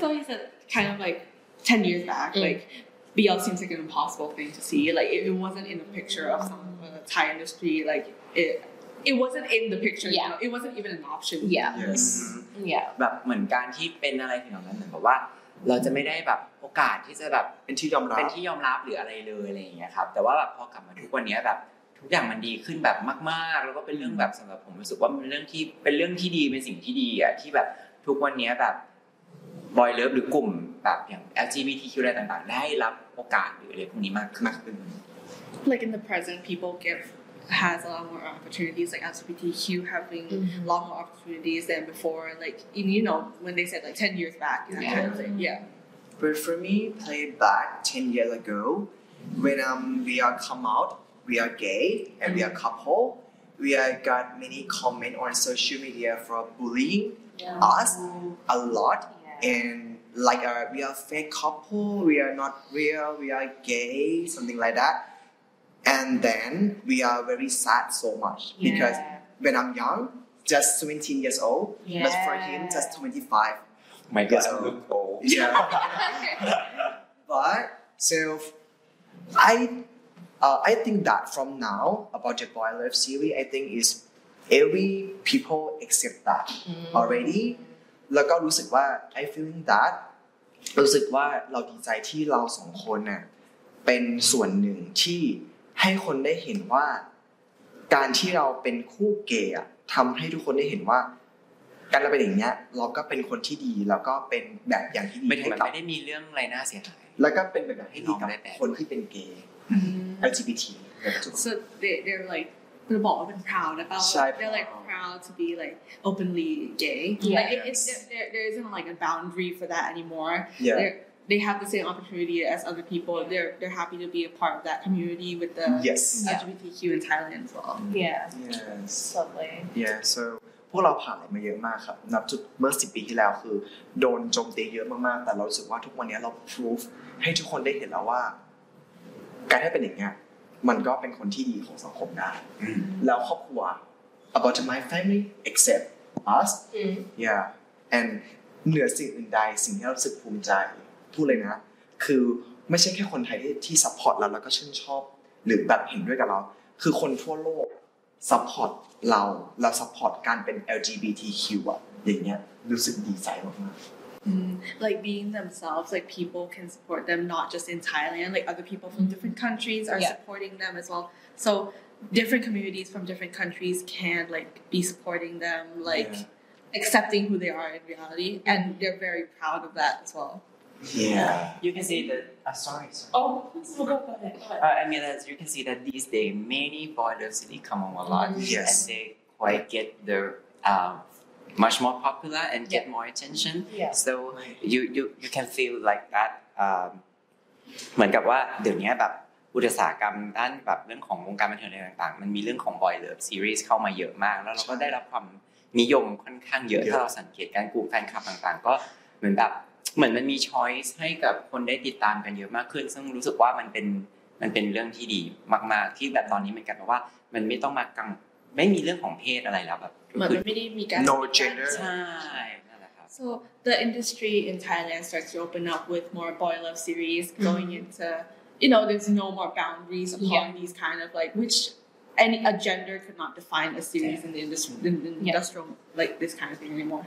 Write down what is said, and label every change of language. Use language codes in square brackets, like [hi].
[en] so it's kind of like 10 years back like BL seems like an impossible thing to see like it wasn't in the picture of some Thai industry like it wasn't in the picture, yeah. You know? It wasn't even an option. Yeah. Yes. Mm-hmm. Yeah. [th] แบบเหมือนการที่เป็นอะไรที่เหมือนแบบว่าเราจะไม่ได้แบบโอกาสที่จะแบบ เป็นที่ยอมรับ หรืออะไรเลยอะไรอย่างเงี้ยครับแต่ว่าแบบพอกลับมาทุกวันนี้แบบทุกอย่างมันดีขึ้นแบบมากๆแล้วก็เป็นเรื่องแบบสําหรับผมรู้สึกว่ามันเป็นเรื่องที่ดีเป็นสิ่งที่ดีอ่ะที่แบบทุกวันนี้แบบบอยเลิฟหรือกลุ่มแบบอย่าง LGBTQ อะไรต่างๆได้รับโอกาสหรืออะไรพวกนี้มากขึ้น [en] Like in the present people give has a lot more opportunities, like LGBTQ having a lot more opportunities than before, like, in, you know, when they said like 10 years back, that kind of thing. Yeah. But for me, play back 10 years ago, when we are come out, we are gay and we are couple, we got many comments on social media for bullying us a lot. And like, we are fake couple, we are not real, we are gay, something like that. And then we are very sad so much because when I'm young, just 17 years old, but for him, just 25. My God, so, I look old. Yeah. But so I think that from now about the Boy Love series, I think is every people accept that already. Like I feel that I feel that [th] เราดีใจที่เราสองคนเนี่ยเป็นส่วนหนึ่งที่ให้คนได้เห็นว่าการที่เราเป็นคู่เกย์ทำให้ทุกคนได้เห็นว่าการเราเป็นอย่างเงี้ยเราก็เป็นคนที่ดีแล้วก็เป็นแบบอย่างที่ดีให้กับคนที่เป็นเกย์ LGBT [en] so they're like the ball been proud about they're like proud to be like openly gay there isn't like a boundary for that anymore they have the same opportunity as other people they're happy to be a part of that community with the LGBTQ in Thailand as well [th] so พวกเราผ่านอะไรมาเยอะมากครับนับจุดเมื่อ10ปีที่แล้วคือโดนโจมตีเยอะมากๆแต่เรารู้สึกว่าทุกวันนี้เราพรูฟให้ทุกคนได้เห็นแล้วว่า การที่เป็นอย่างเงี้ยมันก็เป็นคนที่ดีของสังคมได้แล้วครอบครัว [en] about my family except us yeah and [th] เหนือสิ่งอื่นใดสิ่งที่เรารู้สึกภูมิใจพูดเลยนะคือไม่ใช่แค่คนไทยที่ซัพพอร์ตเราแล้วก็ชื่นชอบหรือแบบเห็นด้วยกับเราคือคนทั่วโลกซัพพอร์ตเราแล้วซัพพอร์ตการเป็น LGBTQ อ่ะอย่างเงี้ยรู้สึกดีใจมากๆ [en] like being themselves like people can support them not just in Thailand like other people from different countries are supporting them as well so different communities from different countries can like be supporting them like accepting who they are in reality and they're very proud of that as well you can see that I mean, as you can see that these days many boy love series come on a lot and they quite get their much more popular and get more attention so you can feel like that [th] เหมือนกับว่าเดี๋ยวนี้แบบอุตสาหกรรมด้านแบบเรื่องของวงการบันเทิงอะไรต่างๆมันมีเรื่องของ boy love series เข้ามาเยอะมากแล้วเราก็ได้รับความ นิยมค่อนข้างเยอะถ้าเราสังเกตการกลุ่มแฟนคลับต่างๆก็เหมือนแบบเหมือนมันมีช้อยส์ให้กับคนได้ติดตามกันเยอะมากขึ้นซึ่งรู้สึกว่ามันเป็นเรื่องที่ดีมากๆที่แบบตอนนี้เหมือนกันเพราะว่ามันไม่ต้องมากังไม่มีเรื่องของเพศอะไรแล้วแบบ เหมือนมันไม่ได้มีการ [en] no gender [th] ใช่นั่นแหละครับ [en] so the industry in Thailand starts to open up with more boy love series going into you know there's no more boundaries upon these kind of like whichAny a gender could not define a series in the industrial like this kind of thing anymore.